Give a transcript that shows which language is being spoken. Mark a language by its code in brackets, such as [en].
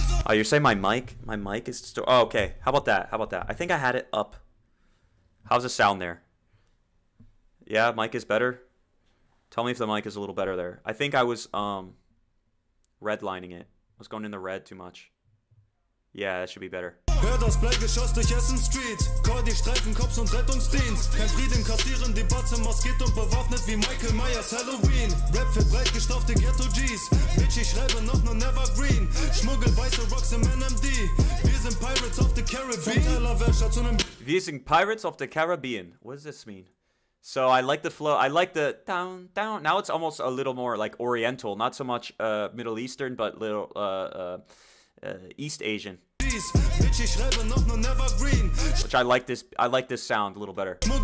[en] Oh, you're saying my mic is still. Oh, okay. How about that? How about that? I think I had it up. How's the sound there? Yeah, mic is better. Tell me if the mic is a little better there. I think I was redlining it. I was going in the red too much. Yeah, that should be better. [de] Hör das Bleigeschoss durch Essen Street. Call die Streifen-Cops und Rettungsdienst. Kein Frieden kassieren, die Batze maskiert und bewaffnet wie Michael Myers Halloween. Rap für breit gestopfte Ghetto-Gs. Bitch, ich schreibe noch nur Nevergreen. Schmuggel weiße Rocks im NMD. Wir sind Pirates of the Caribbean. Wir sind Pirates of the Caribbean. [en] What does this mean? So I like the flow. I like the down, down. Now it's almost a little more like Oriental, not so much Middle Eastern, but little East Asian. Which I like this sound a little better.